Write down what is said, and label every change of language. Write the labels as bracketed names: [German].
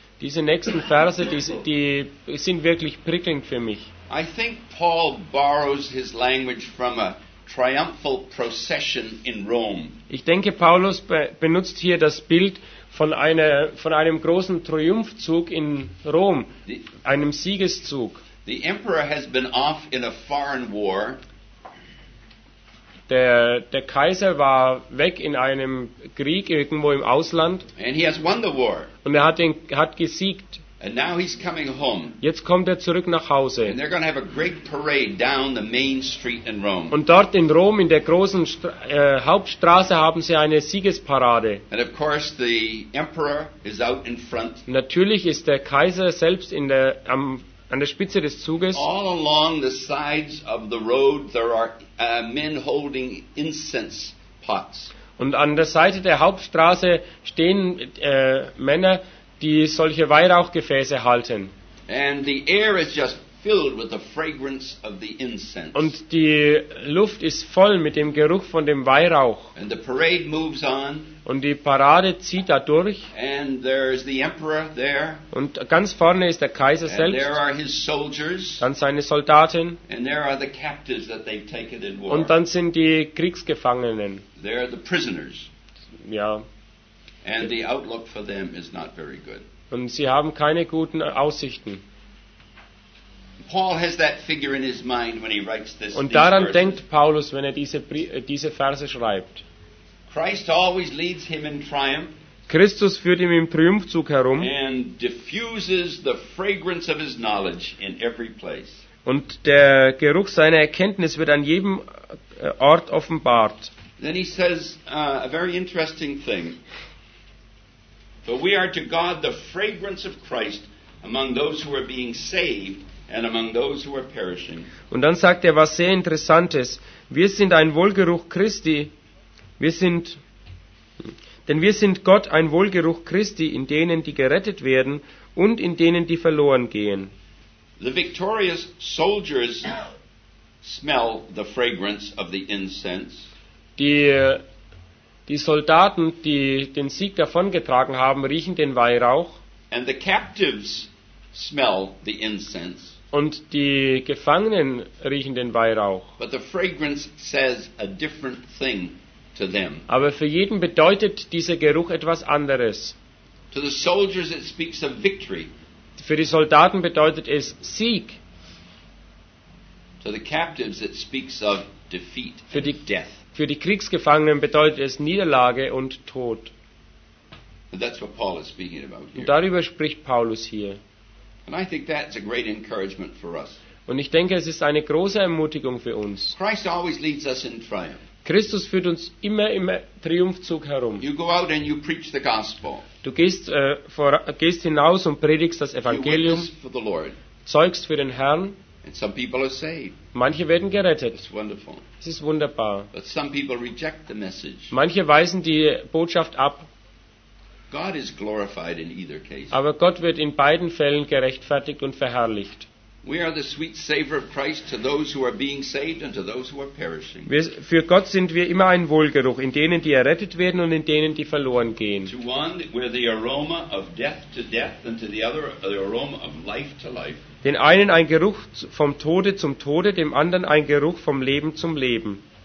[German] Diese nächsten Verse, die sind wirklich prickelnd für mich. [English] I think Paul borrows his language from a triumphal procession in Rome. [German] Ich denke, Paulus benutzt hier das Bild von einem großen Triumphzug in Rom, einem Siegeszug. [English] The emperor has been off in a foreign war. [German] Der Kaiser war weg in einem Krieg irgendwo im Ausland. [English] And he has won the war. [German] Und er hat gesiegt. [English] And now he's coming home. [German] Jetzt kommt er zurück nach Hause. [English] And they're going to have a great parade down the main street in Rome. [German] Und dort in Rom, in der großen Hauptstraße, haben sie eine Siegesparade. [English] And of course the emperor is out in front. [German] Natürlich ist der Kaiser selbst an der Spitze des Zuges. [English] All along the sides of the road there are men holding incense pots. [German] Und an der Seite der Hauptstraße stehen Männer, die solche Weihrauchgefäße halten. [English] And the air is just filled with the fragrance of the incense. [German] Und die Luft ist voll mit dem Geruch von dem Weihrauch. [English] And the parade moves on. [German] Und die Parade zieht da durch. [English] And there is the emperor there. [German] Und ganz vorne ist der Kaiser [English] and [German] selbst. [English] There are his soldiers. [German] Dann seine Soldaten. [English] And there are the captives that they've taken in war. [German] Und dann sind die Kriegsgefangenen. [English] There are the prisoners. [German] Ja. [English] And the outlook for them is not very good. [German] Und sie haben keine guten Aussichten. [English] Paul has that figure in his mind when he writes this. [German] Und daran denkt Paulus, wenn er diese Verse schreibt. [English] Christ always leads him in triumph. [German] Christus führt ihn im Triumphzug herum. [English] And diffuses the fragrance of his knowledge in every place. [German] Und der Geruch seiner Erkenntnis wird an jedem Ort offenbart. [English] Then he says a very interesting thing. But we are to God the fragrance of Christ among those who are being saved and among those who are perishing. [German] Und dann sagt er was sehr Interessantes. Wir sind ein Wohlgeruch Christi. Denn wir sind Gott ein Wohlgeruch Christi in denen, die gerettet werden und in denen, die verloren gehen. [English] The victorious soldiers smell the fragrance of the incense. [German] Die Soldaten, die den Sieg davongetragen haben, riechen den Weihrauch. [English] And the captives smell the incense. [German] Und die Gefangenen riechen den Weihrauch. [English] But the fragrance says a different thing to them. [German] Aber für jeden bedeutet dieser Geruch etwas anderes. [English] To the soldiers it speaks of victory. [German] Für die Soldaten bedeutet es Sieg. [English] To the captives it speaks of defeat [German] für die, [English] and death. [German] Für die Kriegsgefangenen bedeutet es Niederlage und Tod. [English] And that's what Paul is speaking about here. [German] Und darüber spricht Paulus hier. [English] And I think that's a great encouragement for us. [German] Und ich denke, es ist eine große Ermutigung für uns. [English] Christ always leads us in triumph. [German] Christus führt uns immer im Triumphzug herum. [English] You go out and you preach the gospel. [German] Du gehst hinaus und predigst das Evangelium. [English] You witness for the Lord. [German] Zeugst für den Herrn. [English] And some people are saved. [German] Manche werden gerettet. [English] It's wonderful. [German] Es ist wunderbar. [English] But some people reject the message. [German] Manche weisen die Botschaft ab. [English] God is glorified in either case. [German] Aber Gott wird in beiden Fällen gerechtfertigt und verherrlicht. [English] We are the sweet savor of Christ to those who are being saved and to those who are perishing. [German] Für Gott sind wir immer ein Wohlgeruch in denen, die errettet werden und in denen, die verloren gehen. [English] To one we're the aroma of death to death and to the other the aroma of life to life. [German] Den einen ein Geruch vom Tode zum Tode, dem anderen ein Geruch vom Leben zum Leben.